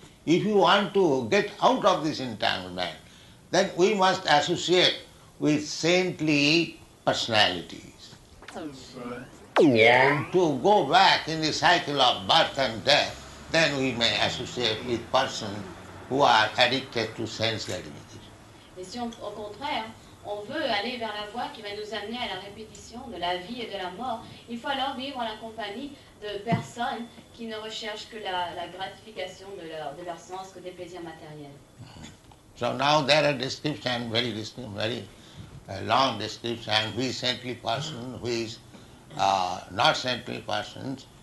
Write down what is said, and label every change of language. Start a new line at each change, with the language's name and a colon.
English: If you want to get out of this entanglement, then we must associate with saintly personalities. And to go back in the cycle of birth and death, then we may associate with persons who are addicted to sense gratification.
French: Mais si on, au contraire, on veut aller vers la voie qui va nous amener à la répétition de la vie et de la mort, il faut alors vivre en la compagnie de personnes qui ne recherchent que la gratification de leur sens, que des plaisirs matériels.
English: So now there are descriptions, very distinct, very long descriptions, who is saintly person, who is not saintly person.